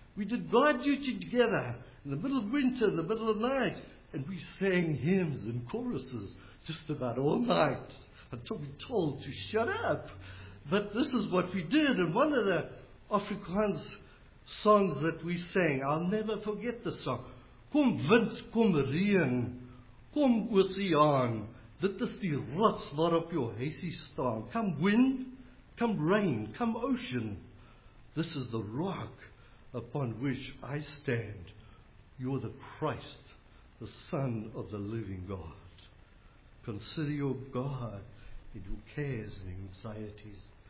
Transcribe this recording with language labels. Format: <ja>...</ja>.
<en>We did guard duty together in the middle of winter, in the middle of the night. And we sang hymns and choruses just about all night until we were told to shut up. But this is what we did. And one of the Afrikaans songs that we sang, I'll never forget the song.</en> <af>Kom wind, kom reën, kom oseaan, dit is die rots waarop jou huisie staan.</af> <en>Come wind, come rain, come ocean, this is the rock upon which I stand. You're the Christ, the Son of the living God. Consider your God in your cares and anxieties.</en>